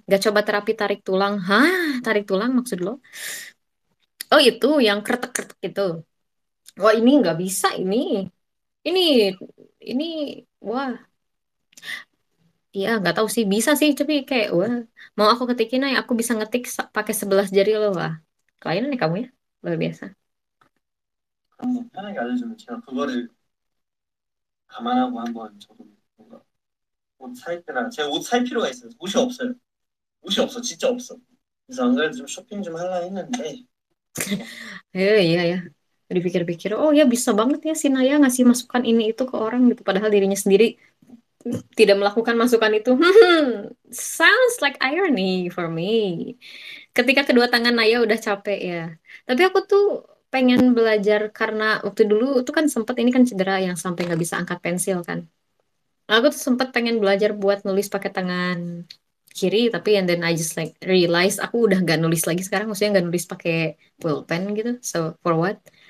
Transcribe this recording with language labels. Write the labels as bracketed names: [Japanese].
[Indonesian] Nggak coba terapi tarik tulang. Hah? Tarik tulang maksud lo? Oh, itu yang kretek-kretek gitu. Wah, ini nggak bisa ini. Ini. Wah. Iya, nggak tahu sih. Bisa sih, tapi kayak, wah. Mau aku ketikin, ay, aku bisa ngetik pakai 11 jari lo lah. Kelainan nih kamu ya. Luar biasa. Kan ada [Korean] 좀 제가 그거를 감안하고 한번 저도 뭔가 옷 살 때나 제가 옷살 필요가 있어요. 옷이 없어요. 옷이 없어. 진짜 없어. 그래서 안 그래도 좀 쇼핑 좀 하려 했는데. 예, 예, 예. [Indonesian] �ipikir-pikir, oh ya bisa banget ya si Naya ngasih masukan ini itu ke orang gitu, padahal dirinya sendiri tidak melakukan masukan itu. [English] Sounds like irony for me. [Indonesian] Ketika kedua tangan Naya udah capek ya. Tapi aku tuh pengen belajar karena waktu dulu tuh kan sempat ini kan cedera yang sampai nggak bisa angkat pensil kan. Aku tuh sempat pengen belajar buat nulis pakai tangan kiri, tapi [English] and then I just like realize [Indonesian] aku udah nggak nulis lagi sekarang, maksudnya nggak nulis pakai pulpen gitu. [English] So for what?